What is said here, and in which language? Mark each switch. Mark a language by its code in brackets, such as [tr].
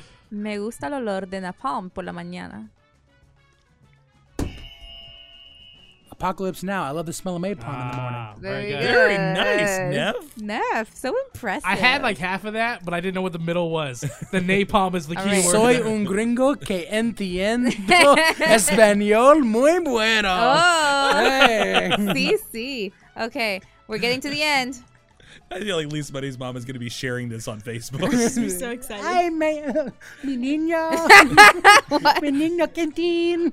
[es] Me gusta el olor de napalm por la mañana. [en] Apocalypse Now. I love the smell of napalm in the morning. Very nice, Neff. Neff, so impressive. I had like half of that, but I didn't know what the middle was. The napalm is the key word. [es] Soy un gringo que entiendo español muy bueno. [en] Oh. Hey. Sí, sí. Okay, we're getting to the end. I feel like Lisa Buddy's mom is going to be sharing this on Facebook. I'm so excited. [es] Hi, mi niño. Mi niño quintín.